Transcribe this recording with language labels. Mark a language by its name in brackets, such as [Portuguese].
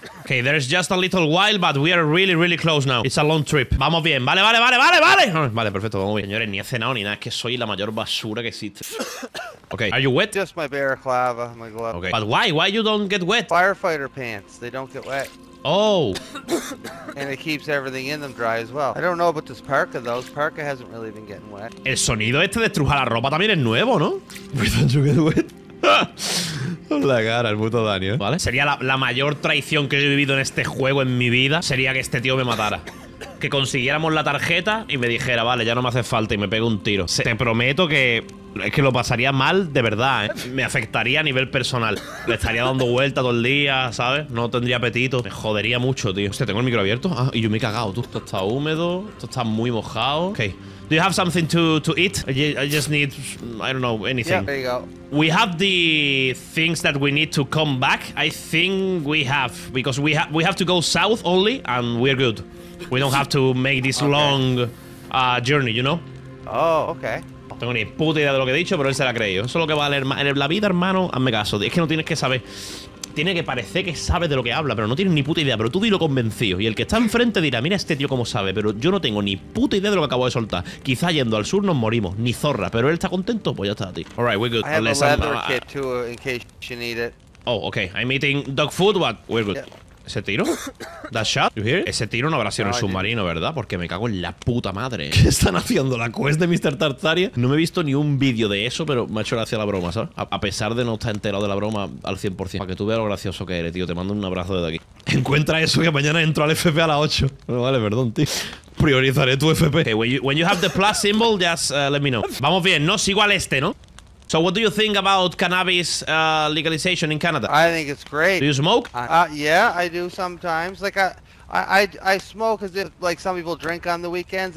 [English] Okay, there's just a little while, but we are really, really close now. It's a long trip. [Spanish] Vamos bien. Vale, vale, vale, vale, vale. Vale, perfecto, vamos bien. Señores, ni he cenado ni nada. Es que soy la mayor basura que existe. [English] Okay, are you wet? Just my bare clava, my glove. Okay, but why? Why you don't get wet? Firefighter pants, they don't get wet. Oh. And it keeps everything in them dry as well. I don't know about this parka, though. This parka hasn't really been getting wet. [Spanish] El sonido este de estrujar la ropa también es nuevo, ¿no? [English] We don't get wet. [Spanish] La cara, el puto daño. ¿Vale? Sería la mayor traición que he vivido en este juego en mi vida. Sería que este tío me matara. Que consiguiéramos la tarjeta y me dijera, vale, ya no me hace falta y me pego un tiro. Te prometo que... Es que lo pasaría mal, de verdad, ¿eh? Me afectaría a nivel personal. Le estaría dando vuelta todo el día, ¿sabes? No tendría apetito. Me jodería mucho, tío. Hostia, ¿tengo el micro abierto? Ah, y yo me he cagado, tú. Esto está húmedo. Esto está muy mojado. [English] Ok. Do you have something to eat? I just need... I don't know, anything. Yeah, there you go. We have the things that we need to come back. I think we have. Because we have to go south only, and we're good. We don't have to make this long journey, you know? Oh, okay. [Spanish] Tengo ni puta idea de lo que he dicho, pero él se la creyó. Eso es lo que va a leer en la vida, hermano. Hazme caso. Es que no tienes que saber. Tiene que parecer que sabe de lo que habla, pero no tiene ni puta idea. Pero tú dilo convencido. Y el que está enfrente dirá, mira este tío cómo sabe. Pero yo no tengo ni puta idea de lo que acabo de soltar. Quizá yendo al sur nos morimos. Ni zorra. Pero él está contento, pues ya está, tío. [English] All right, we're good. I have a leather kit too, in case you need it. Oh, okay. I'm eating dog food, but we're good. Yeah. [Spanish] ¿Ese tiro? [English] ¿That shot? You hear? [Spanish] Ese tiro no habrá sido en el submarino, ¿verdad? Porque me cago en la puta madre. ¿Qué están haciendo? ¿La quest de Mr. Tartaria? No me he visto ni un vídeo de eso, pero me ha hecho gracia la broma, ¿sabes? A pesar de no estar enterado de la broma al 100%. Para que tú veas lo gracioso que eres, tío. Te mando un abrazo desde aquí. Encuentra eso que mañana entro al FP a las 8. Bueno, vale, perdón, tío. Priorizaré tu FP. [English] Okay, when you have the plus symbol, just let me know. [Spanish] Vamos bien, ¿no? Sigo al este, ¿no? [English] So what do you think about cannabis legalization in Canada? I think it's great. Do you smoke? Yeah, I do sometimes. Like I smoke as if like some people drink on the weekends.